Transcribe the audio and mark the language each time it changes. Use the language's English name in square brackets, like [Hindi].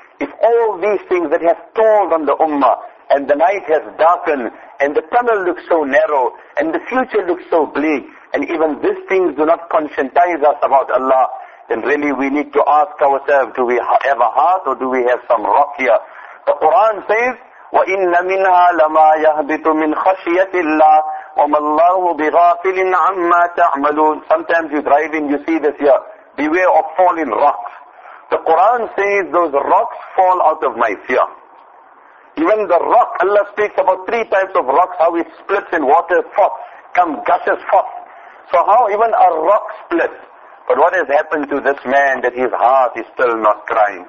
[English] If all these things that have told on the ummah, and the night has darkened, and the tunnel looks so narrow, and the future looks so bleak, and even these things do not conscientize us about Allah, then really we need to ask ourselves, do we have a heart or do we have some rock here? The Quran says, [Arabic] وَإِنَّ مِنْهَا لَمَا يَهْبِطُ مِنْ خَشْيَةِ اللَّهِ وَمَا اللَّهُ بِغَافِلٍ عَمَّا تَعْمَلُونَ. [English] Sometimes you drive in, you see this here, beware of falling rocks. The Quran says, those rocks fall out of my fear. Even the rock, Allah speaks about three types of rocks, how it splits in water, forth, come gushes forth. So how even a rock splits? But what has happened to this man that his heart is still not crying?